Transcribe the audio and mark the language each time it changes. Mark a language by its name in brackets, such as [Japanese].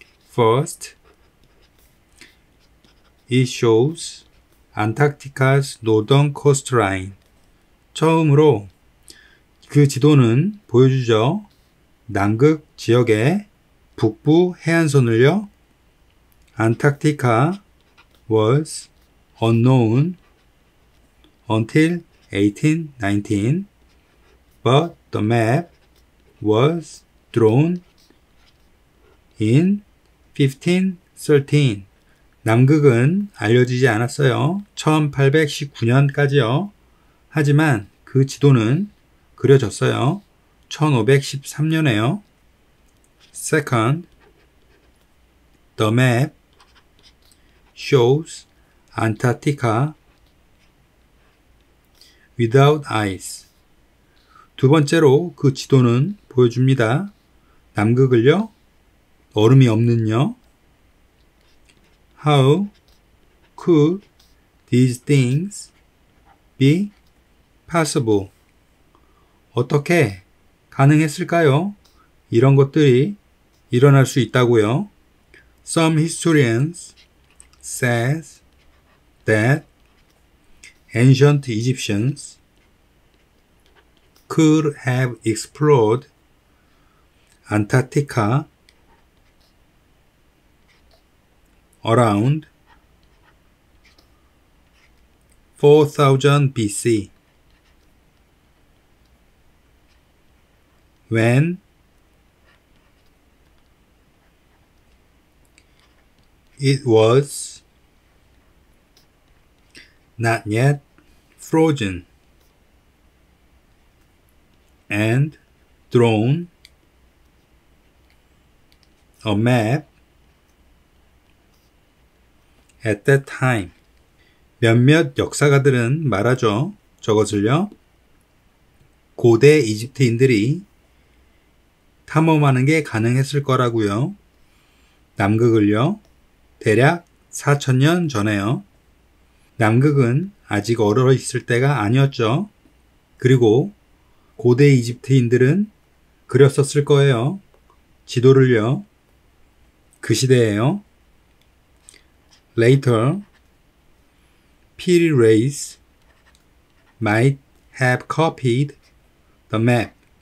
[English] First, it shows Antarctica's northern coastline. [Korean] 처음으로 그 지도는 보여주죠. 남극 지역의 북부 해안선을요. [English] Antarctica was unknown until 1819, but the map was drawn in 1513. [Korean] 남극은 알려지지 않았어요. 1819년까지요. 하지만 그 지도는 그려졌어요. 1513년에요. [English] Second, the map shows Antarctica without ice. [Korean] 두 번째로 그 지도는 보여줍니다. 남극을요. 얼음이 없는요. [English] How could these things be possible? [Korean] 어떻게 가능했을까요? 이런 것들이 일어날 수 있다고요? [English] Some historians says that ancient Egyptians could have explored Antarctica around 4000 BC when it was not yet frozen and drawn a map at that time. [Korean] 몇몇 역사가들은 말하죠. 저것을요. 고대 이집트인들이 탐험하는 게 가능했을 거라고요. 남극을요. 대략 4000년 전에요. 남극은 아직 얼어 있을 때가 아니었죠. 그리고 고대 이집트인들은 그렸었을 거예요. 지도를요. 그 시대에요. [English] Later, Petty Race might have copied the map.